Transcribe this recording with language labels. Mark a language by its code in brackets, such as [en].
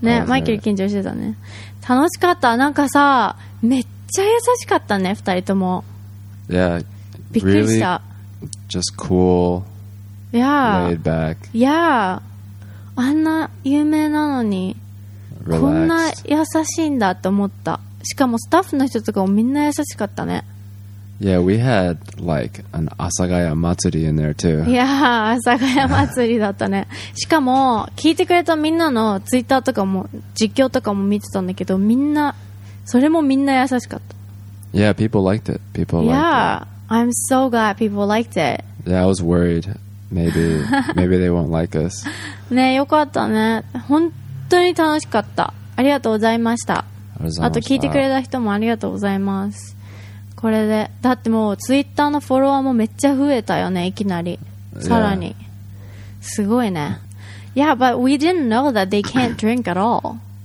[ja] ね、マイケル緊張してたね。楽しかった。なんかさ、めっちゃ優しかったね、二人とも。 [en] Yeah. [ja] びっくりした。 [en] Really, just cool. Yeah. Laid back. Yeah. [ja] あんな有名なのに、 [en] Relaxed. [ja] こんな優しいんだと思った。しかもスタッフの人とかもみんな優しかったね。 [en] Yeah, we had like an 阿佐ヶ谷祭り in there too. Yeah, [ja] 阿佐ヶ谷祭りだったね。しかも聞いてくれたみんなのツイッターとかも実況とかも見てたんだけど、みんなそれもみんな優しかった。 [en] Yeah, people liked it. People liked yeah, it. Yeah, I'm so glad people liked it. Yeah, I was worried. Maybe they won't like us. [ja] ねえ、よかったね。本当に楽しかった。ありがとうございました。あと聞いてくれた人もありがとうございます。これで、だってもうツイッターのフォロワーもめっちゃ増えたよね、いきなり。さらに。 [en] Yeah. [ja] すごいね。 [en] Yeah, but we didn't know that they can't drink at all.